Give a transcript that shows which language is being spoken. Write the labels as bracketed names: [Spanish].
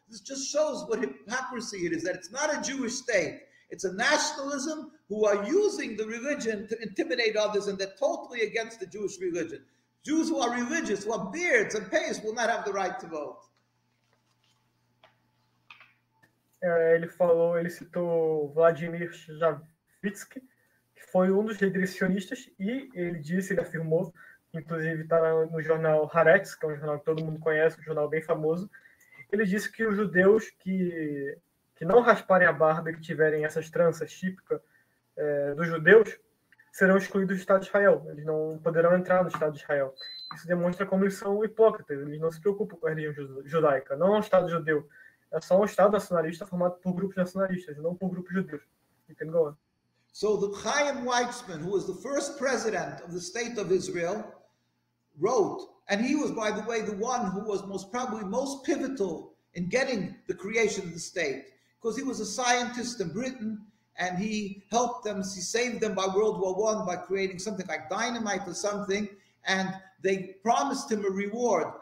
[English] This just shows what hypocrisy it is, that it's not a Jewish state. It's a nationalism who are using the religion to intimidate others, and they're totally against the Jewish religion. Jews who are religious, who have beards and pays, will not have the right to vote. [Portuguese] Ele falou, ele citou Vladimir Javitsky, que foi um dos líderes sionistas, e ele disse, ele afirmou, inclusive está no jornal Haaretz, que é um jornal que todo mundo conhece, um jornal bem famoso, ele disse que os judeus que não rasparem a barba e que tiverem essas tranças típicas dos judeus serão excluídos do Estado de Israel. Eles não poderão entrar no Estado de Israel. Isso demonstra como eles são hipócritas. Eles não se preocupam com a religião judaica. Não é um Estado judeu. É só um Estado nacionalista formado por grupos nacionalistas, não por grupos judeus. [English] You can go on. So the Chaim Weizmann, who was the first president of the State of Israel, wrote, and he was, by the way, the one who was most probably most pivotal in getting the creation of the state, because he was a scientist in Britain, and he helped them, he saved them by World War I by creating something like dynamite or something, and they promised him a reward.